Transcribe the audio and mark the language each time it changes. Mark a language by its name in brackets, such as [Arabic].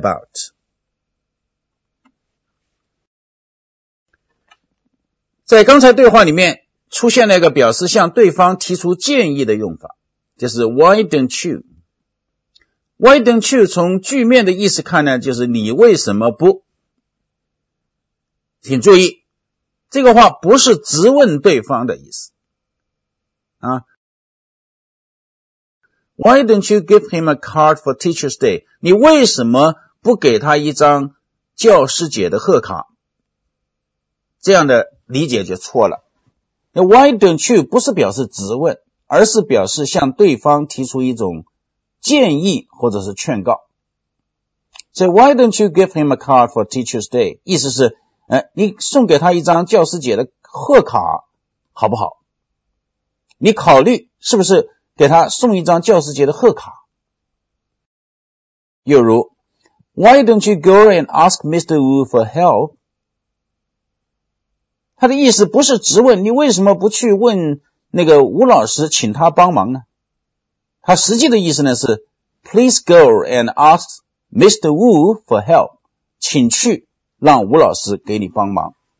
[Chinese] talk about. 在刚才对话里面出现了一个表示向对方提出建议的用法，就是 why don't you? Why don't you 从句面的意思看呢，就是你为什么不？请注意，这个话不是直问对方的意思。 [English] Why don't you give him a card for Teacher's Day? [Chinese] 你为什么不给他一张教师节的贺卡？这样的理解就错了。那 Why don't you 不是表示直问，而是表示向对方提出一种建议或者是劝告。 [English] So why don't you give him a card for Teacher's Day? [Chinese] 意思是你送给他一张教师节的贺卡好不好？你考虑是不是给他送一张教师节的贺卡？ [English] 又如 why don't you go and ask Mr. Wu for help? [Chinese] 他的意思不是直问，你为什么不去问那个吴老师请他帮忙呢？ [English] 他实际的意思呢是 Please go and ask Mr. Wu for help. [Chinese] 请去让吴老师给你帮忙。